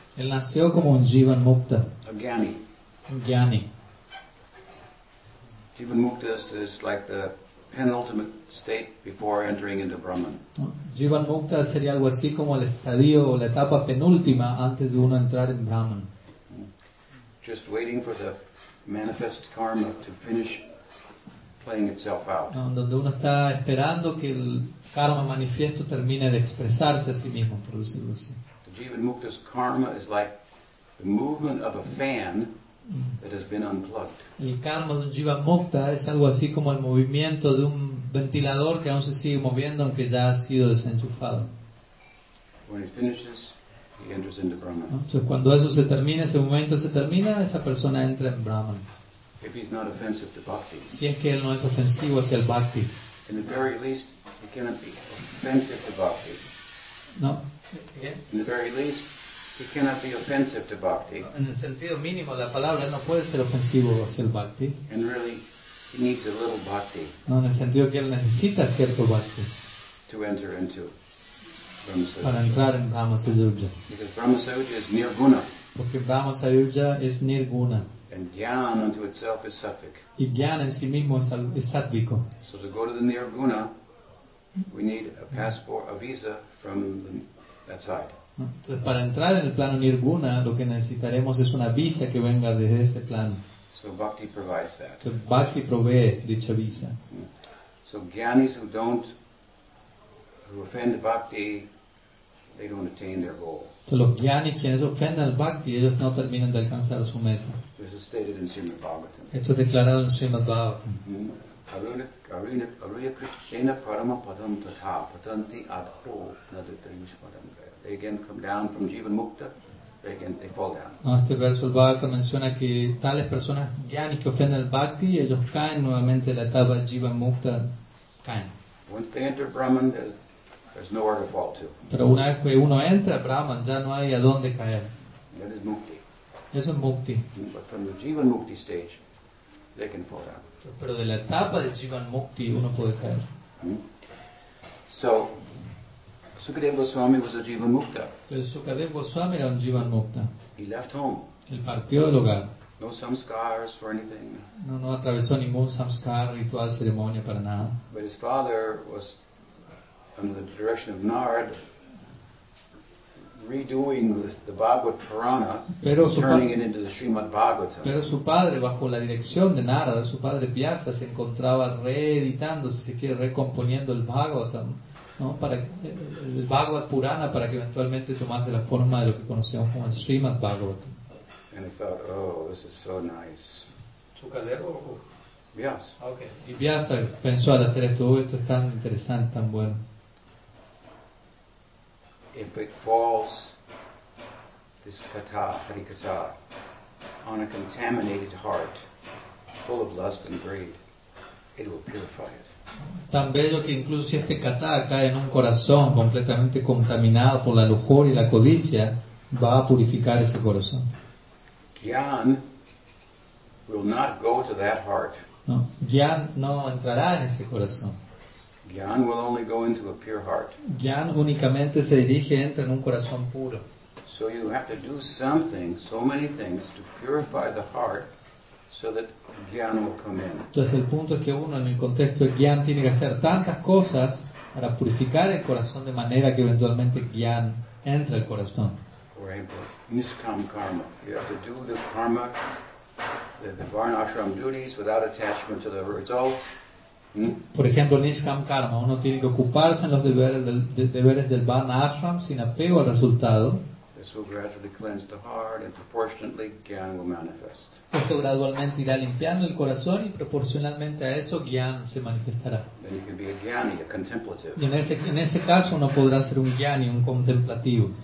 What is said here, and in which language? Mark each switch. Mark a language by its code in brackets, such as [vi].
[es] Él nació como un Jivan Mukta. [en] A Gyani. [es] Un Gyani. [en] Jivan Mukta is like the penultimate state before entering into Brahman. [es] Jivan Mukta sería algo así como el estadio o la etapa penúltima antes de uno entrar en Brahman. [en] Just waiting for the manifest karma to finish. Playing itself out. [es] No, donde uno está esperando que el karma manifiesto termine de expresarse a sí mismo, por decirlo así. [en] The Jivan Mukta's karma is like the movement of a fan that has been unplugged. [es] El karma de un Jivan Mukta es algo así como el movimiento de un ventilador que aún se sigue moviendo aunque ya ha sido desenchufado. [en] When he finishes, he enters into Brahman. [es] Entonces, cuando eso se termina, ese momento se termina, esa persona entra en Brahman. [en] If he's not offensive to bhakti. [es] Si es que él no es ofensivo hacia el bhakti. [en] In the very least, he cannot be offensive to bhakti. [es] No. [en] Yeah. In the very least, he cannot be offensive to bhakti. [es] En el sentido mínimo la palabra, él no puede ser ofensivo hacia el bhakti. [en] And really, he needs a little bhakti. [es] No, en el sentido que él necesita cierto bhakti. [en] To enter into Brahmasauja. [es] Para entrar en Brahmasauja. [en] Because Brahmasauja is nirguna. [es] Porque Brahmasauja es nirguna. [en] And jnana unto itself is sattvic. [es] Y jnana en sí mismo es sattvico. [en] So to go to the nirguna, we need a passport, a visa from that side. [es] Entonces para entrar en el plano nirguna, lo que necesitaremos es una visa que venga de ese plano. [en] So bhakti provides that. [es] Bhakti provee dicha visa. [en] So gyanis who offend bhakti, they don't attain their goal. [es] Entonces, los gyanis quienes ofenden al bhakti, ellos no terminan de alcanzar su meta. [en] This is stated in Srimad Bhagavatam. [es] Esto es declarado en Srimad Bhagavatam. [en] They again come down from Jivan Mukta, they again they fall down. [es] No, este verso el Bhagavatam menciona que tales personas gyanis que ofenden al bhakti, ellos caen nuevamente de la etapa Jivan Mukta, caen. [en] Once they enter Brahman, there's nowhere to fall to. [es] Pero una vez que uno entra a Brahman, ya no hay a dónde caer. [en] That is Mukti. [es] Eso es Mukti. [en] But from the Jivan Mukti stage, they can fall down. [es] Pero de la etapa de Jivan Mukti, uno puede caer. [en] So, Sukadeva Goswami was a Jivan Mukta. [es] Entonces, Sukadeva Goswami era un Jivan Mukta. [en] He left home. [es] Él partió del hogar. [en] No samskars for anything. [es] No atravesó ningún samskar, ritual, ceremonia, para nada. [en] But his father was under the direction of Narad, redoing the Bhagavata Purana, turning it into the Srimad Bhagavatam. [es] Pero su padre, bajo la dirección de Narada, su padre Vyasa, se encontraba reeditando, si se quiere, recomponiendo el Bhagavatam, ¿no? Para el Bhagavata Purana, para que eventualmente tomase la forma de lo que conocemos como el Srimad Bhagavatam. [en] And he thought, oh, this is so nice. [es] ¿Sukadeva? Vyasa. [en] Okay. [es] Y Vyasa pensó al hacer esto, esto es tan interesante, tan bueno. [en] If it falls, this katha, harikatha, on a contaminated heart, full of lust and greed, it will purify it. [es] Tan bello que incluso si este katha cae en un corazón completamente contaminado por la lujuria y la codicia, va a purificar ese corazón. [en] Gyan will not go to that heart. [es] No, gyan no entrará en ese corazón. [en] Gyan will only go into a pure heart. [es] Gyan únicamente se dirige, entra en un corazón puro. [en] So you have to do something, so many things, to purify the heart so that gyan will come in. [es] Entonces el punto es que uno en el contexto de gyan tiene que hacer tantas cosas para purificar el corazón de manera que eventualmente gyan entre al corazón. [en] For example, niskam karma. You have to do the karma, the varnashram duties without attachment to the result. [es] Por ejemplo, niskam karma, uno tiene que ocuparse en los deberes del Varna Ashram sin apego al resultado. [en] This will gradually cleanse the heart and proportionately gyan will manifest. [es] Esto gradualmente irá limpiando el corazón y proporcionalmente a eso gyan se manifestará. [en] Then you can be a gyani, a contemplative. [es] Y en ese caso uno podrá ser un gyani, un contemplativo.